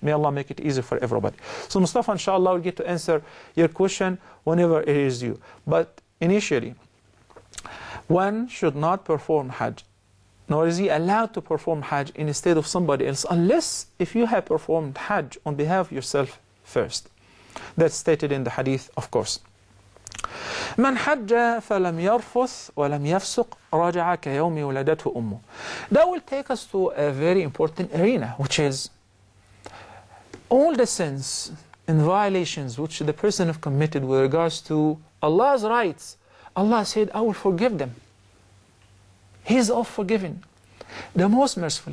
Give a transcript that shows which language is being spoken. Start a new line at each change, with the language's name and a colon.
English: May Allah make it easy for everybody. So Mustafa, inshallah, will get to answer your question whenever it is due. But initially, one should not perform Hajj, nor is he allowed to perform Hajj instead of somebody else, unless if you have performed Hajj on behalf of yourself first. That's stated in the Hadith, of course.
Arabic: من حج فلم يرفث ولم يفسق رجع كيوم ولدته أمه.
English: That will take us to a very important arena, which is all the sins and violations which the person have committed with regards to Allah's rights. Allah said, I will forgive them. He's all forgiven, the most merciful.